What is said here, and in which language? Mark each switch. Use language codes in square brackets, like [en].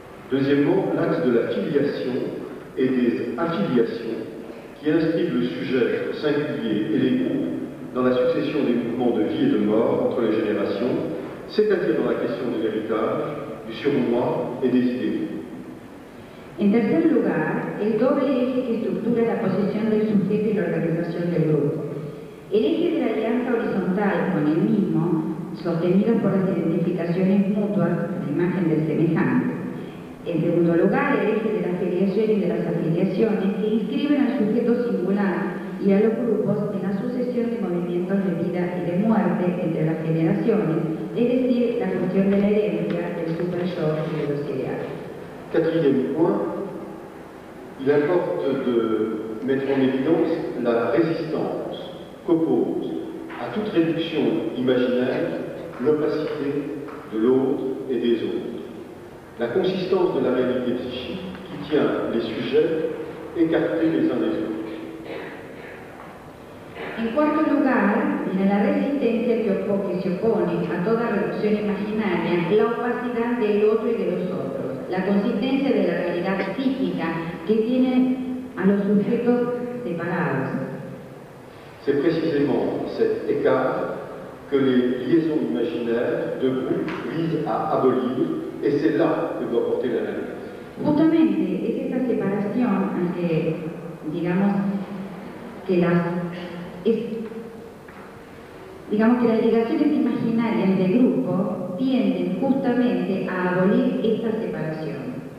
[fr] Deuxièmement, l'axe de la filiation et des affiliations qui inscrivent le sujet singulier et les groupes dans la succession des mouvements de vie et de mort entre les générations, c'est-à-dire dans la question de l'héritage, du surmoi et des idéaux. [es] En tercer lugar, el doble eje que estructura la posición del sujeto y la organización del grupo. El eje de la alianza horizontal con el mismo, sostenido por las identificaciones mutuas, la imagen del semejante. En segundo lugar, el eje de la filiación y de las afiliaciones que inscriben al sujeto singular y a los grupos en la sucesión de movimientos de vida y de muerte entre las generaciones, es decir, la cuestión de la herencia, del super yo y de los ideales. [fr] Quatrième point, il importe de mettre en évidence la résistance qu'oppose à toute réduction imaginaire l'opacité de l'autre et des autres. La consistance de la réalité psychique qui tient les sujets écartés les uns des autres. [es] En quarto lugar, viene la resistencia que se opone a toda reducción imaginaria la opacidad del otro y de los otros. La consistencia de la realidad psíquica que tiene a los sujetos separados. [fr] C'est précisément cet écart que les liaisons imaginaires de groupe visent à abolir, et c'est là que doit porter l'analyse. [es] Justamente, es esa separación que, digamos, que las. Es, digamos que las ligaciones imaginarias de grupo tienden justamente a abolir esta separación.